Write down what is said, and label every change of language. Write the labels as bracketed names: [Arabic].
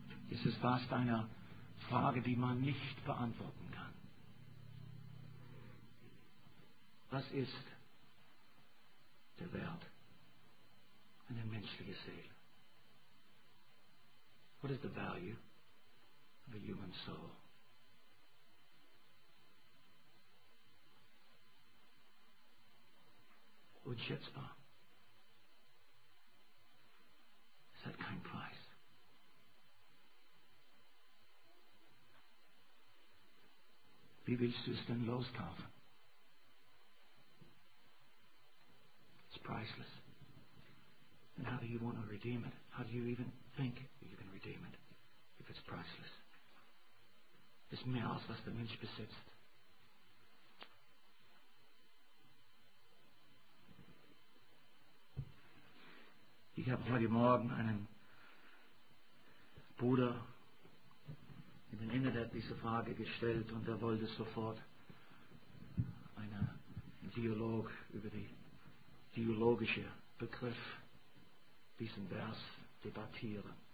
[German] Es ist fast eine Frage, die man nicht beantworten kann. Was ist der Wert einer menschlichen Seele? [English] What is the value of a human soul? [German] Unschätzbar. Es hat keinen Preis. Wie willst du es denn loskaufen? [English] priceless. And how do you want to redeem it? How do you even think you can redeem it if it's priceless? [German] Ist mehr als was der Mensch besitzt. Ich habe heute Morgen einen Bruder in den Ende der diese Frage gestellt und er wollte sofort einen Dialog über den theologischen Begriff diesen Vers debattieren.